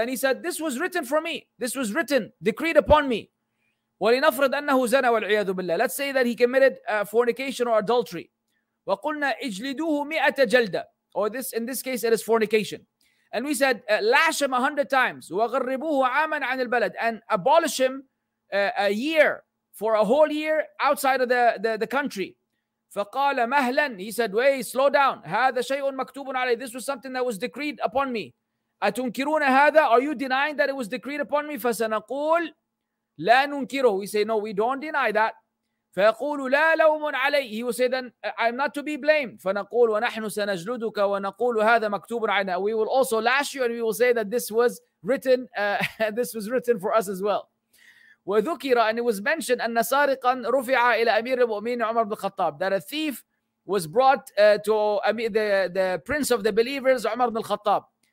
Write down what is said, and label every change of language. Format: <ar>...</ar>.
<en>And he said, this was written for me, this was written, decreed upon me.</en> <ar>ولنفرض أنه زنا والعياذ بالله.</ar> <en>Let's say that he committed fornication or adultery.</en> <ar>وقلنا اجلدوه مئة جلدة.</ar> <en>Or this, in this case, it is fornication. And we said, lash him 100 times.</en> <ar>وغربوه عاما عن البلد.</ar> <en>And abolish him a year, for a whole year outside of the country.</en> <ar>فقال مهلا.</ar> <en>He said, wait, slow down.</en> <ar>هذا شيء مكتوب علي.</ar> <en>This was something that was decreed upon me.</en> <ar>أتنكرون هذا?</ar> <en>Are you denying that it was decreed upon me?</en> <ar>فسنقول لا ننكره.</ar> <en>We say, no, we don't deny that.</en> <ar>فيقول لا لوم علي.</ar> <en>He will say, then I'm not to be blamed.</en> <ar>فنقول ونحن سنجلدك ونقول هذا مكتوب علينا.</ar> <en>We will also lash you and we will say that this was written for us as well.</en> <ar>وذكر,</ar> <en>and it was mentioned,</en> <ar>أن سارقا رفع إلى أمير المؤمنين عمر بن الخطاب,</ar> <en>that a thief was brought to the prince of the believers, عمر بن الخطاب.</en>